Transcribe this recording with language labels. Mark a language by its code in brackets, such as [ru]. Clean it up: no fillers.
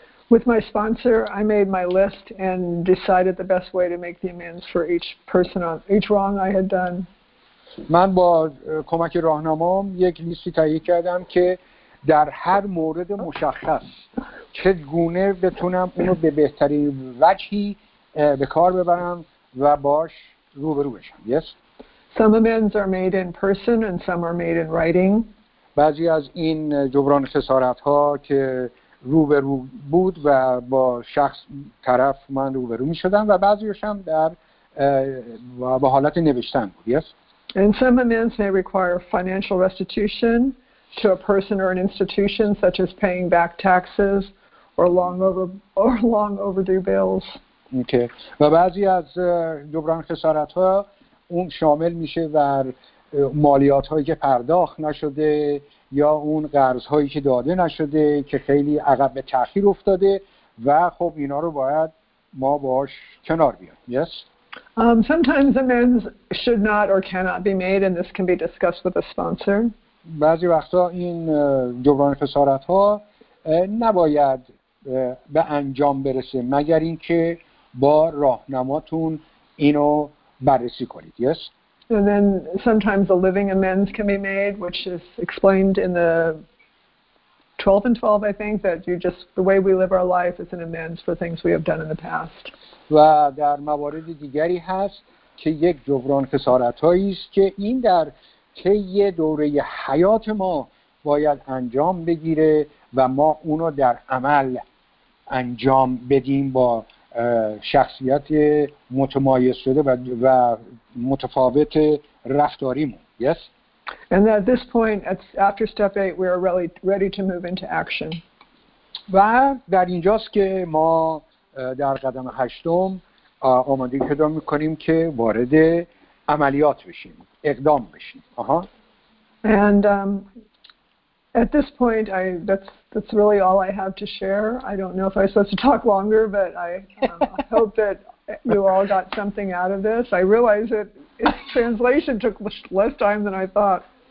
[en] With my sponsor, I made my list and decided the best way to make the amends for each person on each wrong I had done. [fa] من با کمک راهنمام یک لیستی تهیه کردم که در هر مورد مشخص چگونه بتونم اونو به بهترین وجهی به کار ببرم و باش روبرو بشم. [en] Yes. Some amends are made in person and some are made in writing. [fa] بعضی از این جبران خسارت ها که روبرو بود و با شخص طرف من روبرو می شدم و بعضیش هم در با حالت نوشتن بود. [en] Yes. And some amends may require financial restitution to a person or an institution such as paying back taxes or long overdue bills. Okay. [fa] و بعضی از جبران خسارت ها اون شامل میشه بر مالیات هایی که پرداخت نشده یا اون قرض هایی که داده نشده که خیلی عقب به تاخیر افتاده و خب اینا رو باید ما باش کنار بیاریم. [en] Yes. Sometimes amends should not or cannot be made and this can be discussed with a sponsor. [fa] بعضی وقتا این جبران خسارت ها نباید به انجام برسه مگر اینکه با راهنماتون اینو بررسی کنید. [en] Yes. And then sometimes a living amends can be made which is explained in the 12 and 12 I think that you just the way we live our life is an amends for things we have done in the past. [fa] و در موارد دیگری هست که یک جبران خسارت هایی است که این در طی دوره حیات ما باید انجام بگیره و ما اونو در عمل انجام بدیم با شخصیت متمایز شده و متفاوت رفتاریمون. [en] Yes. And at this point after step 8 we are really ready to move into action. [fa] و در اینجاست که ما در قدم هشتم آماده پیدا می‌کنیم که وارد عملیات بشیم. اقدام بشیم. آها. [en] And at this point that's really all I have to share. I don't know if I'm supposed to talk longer, but I hope that you all got something out of this. I realize that its translation took less time than I thought.